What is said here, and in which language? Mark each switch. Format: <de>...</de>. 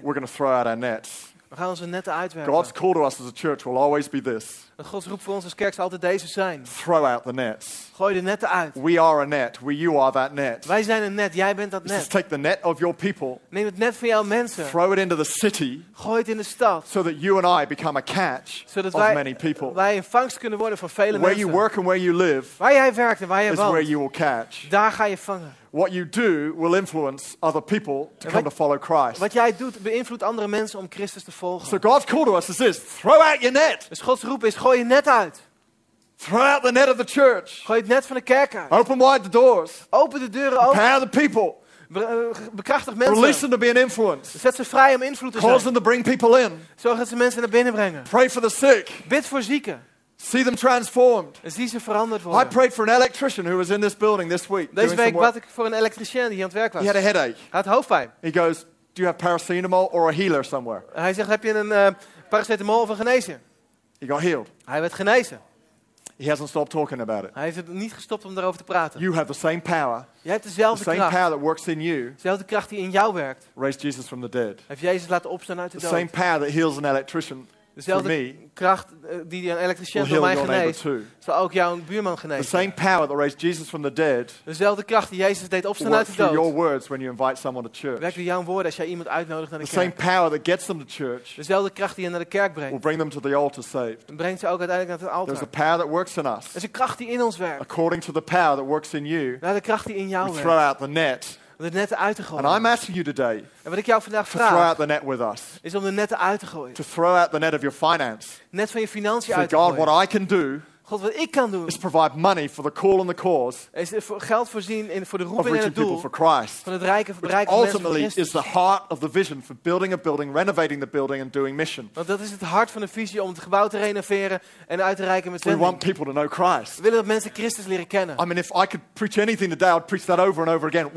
<en>We're going to throw out our nets.</en> <nl>We gaan onze netten uitwerpen.</nl> <en>God's call to us as a church will always be this.</en> <nl>Gods roep voor ons als kerk zal altijd deze zijn.</nl> <en>Throw out the nets.</en> <nl>Gooi de netten uit.</nl> <en>We are a net. You are that net.</en> <nl>Wij zijn een net. Jij bent dat net.</nl> <en>Just take the net of your people.</en> <nl>Neem het net van jouw mensen.</nl> <en>Throw it into the city.</en> <nl>Gooi het in de stad.</nl> <en>So that you and I become a catch of many people.</en> <nl>Zodat wij een vangst kunnen worden van vele mensen.</nl> <en>Where you work and where you live.</en> <nl>Waar jij werkt en waar jij woont.</nl> <en>Is where you will catch.</en> <nl>Daar ga je vangen.</nl> <en>What you do will influence other people to come to follow Christ.</en> <nl>Wat jij doet beïnvloedt andere mensen om Christus te volgen.</nl> <en>So God's call to us is this: throw out your net.</en> <nl>Dus Gods roep is: gooi je net uit.</nl> <en>Throw out the net of the church.</en> <nl>Gooi het net van de kerk uit.</nl> <en>Open wide the doors.</en> <nl>Open de deuren open.</nl> <en>Empower the people.</en> <nl>Bekrachtig mensen.</nl> <en>Release them to be an influence.</en> <nl>Zet ze vrij om invloed te zijn.</nl> <en>Cause them to bring people in.</en> <nl>Zorg dat ze mensen naar binnen brengen.</nl> <en>Pray for the sick.</en> <nl>Bid voor zieken.</nl> <en>See them transformed.</en> <nl>Zie ze veranderd worden.</nl> <en>I prayed for an electrician who was in this building this week.</en> <nl>Deze week bad ik voor een elektricien die aan het werk was.</nl> <en>He had a headache.</en> <nl>Hij had hoofdpijn.</nl> <en>He goes, do you have paracetamol or a healer somewhere?</en> <nl>Hij zegt, heb je een paracetamol of een genezer?</nl> <en>He got healed.</en> <nl>Hij werd genezen.</nl> <en>He hasn't stopped talking about it.</en> <nl>Hij heeft niet gestopt om daarover te praten.</nl> <en>You have the same power.</en> <nl>Jij hebt dezelfde kracht.</nl> <en>The same power that works in you.</en> <nl>Dezelfde kracht die in jou werkt.</nl> <en>Raised Jesus from the dead.</en> <nl>Heeft Jezus laten opstaan uit de dood.</nl> <en>The same power that heals an electrician.</en> <nl>Dezelfde kracht die een elektricien door mij geneest, zal ook jouw buurman genezen.</nl> <en>The same power that raised Jesus from the dead.</en> <nl>Dezelfde kracht die Jezus deed opstaan uit de dood.</nl> <en>Your words when you invite someone to church.</en> <nl>Werkt door jouw woorden als jij iemand uitnodigt naar de kerk.</nl> <en>The same power that gets them to church.</en> <nl>Dezelfde kracht die je naar de kerk brengt.</nl> <en>Will bring them to the altar saved.</en> <nl>En brengt ze ook uiteindelijk naar het altaar.</nl> <en>There's a power that works in us.</en> <nl>Er is een kracht die in ons werkt.</nl> <en>According to the power that works in you.</en> <nl>Naar de kracht die in jou werkt.</nl> <en>Throw out the net.</en> <nl>Om de netten uit te gooien.</nl> <en>And I'm asking you today,</en> <nl>en wat ik jou vandaag vraag.</nl> <en>To throw out the net with us,</en> <nl>is om de netten uit te gooien.</nl> <en>To throw out the net of your finance,</en> <nl>net van je financiën</nl> <en>so</en> <nl>uit te gooien.</nl> <en>God, what I can do,</en> <nl>God, wat ik kan doen.</nl> <en>Is provide money for the call and the cause.</en> <nl>Is geld voorzien voor de roeping en het doel.</nl> <en>For Christ,</en> <nl>van het rijke</nl> <en>which</en> <nl>bereiken van mensen voor Christus.</nl> <en>Is the heart of the vision for building a building, renovating the building and doing mission.</en> <nl>Want dat is het hart van de visie om het gebouw te renoveren en uit te reiken met zending.</nl> <en>We want people to know Christ.</en> <nl>We willen dat mensen Christus leren kennen.</nl> <en>I mean, if I could preach anything today, I'd preach that over and over again.</en>